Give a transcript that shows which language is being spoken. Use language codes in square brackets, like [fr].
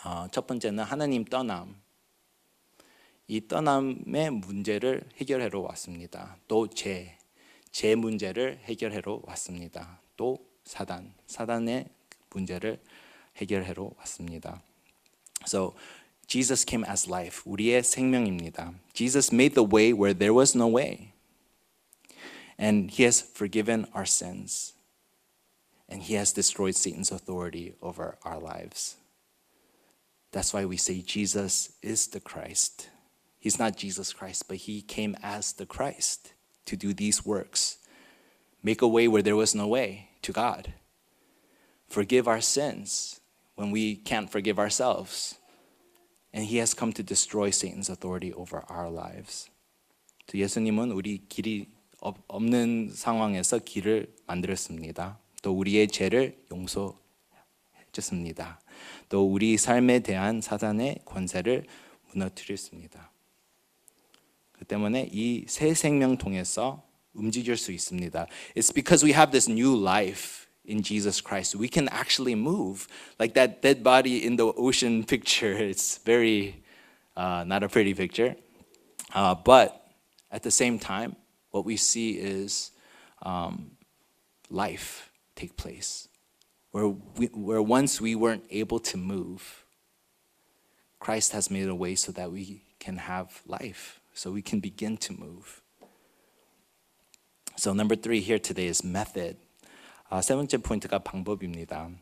[ko] 첫 번째는 하나님 떠남. 이 떠남의 문제를 해결하러 왔습니다. 또 죄 문제를 해결하러 왔습니다. 또 사단의 문제를 해결하러 왔습니다. [en] So, Jesus came as life, [ko] 우리의 생명입니다. [en] Jesus made the way where there was no way. And he has forgiven our sins. And he has destroyed Satan's authority over our lives. That's why we say Jesus is the Christ. He's not Jesus Christ, but he came as the Christ to do these works. Make a way where there was no way to God. Forgive our sins when we can't forgive ourselves. And he has come to destroy Satan's authority over our lives. [ko] 예수님은 우리 길이 없는 상황에서 길을 만들었습니다. 또 우리의 죄를 용서해줬습니다. 또 우리 삶에 대한 사단의 권세를 무너뜨렸습니다. 그 때문에 이 새 생명 통해서 움직일 수 있습니다. [en] It's because we have this new life in Jesus Christ, we can actually move. Like that dead body in the ocean picture, it's very not a pretty picture. But at the same time, what we see is life take place. Where once we weren't able to move, Christ has made a way so that we can have life, so we can begin to move. So number three here today is method. [ko] 세 번째 포인트가 방법입니다.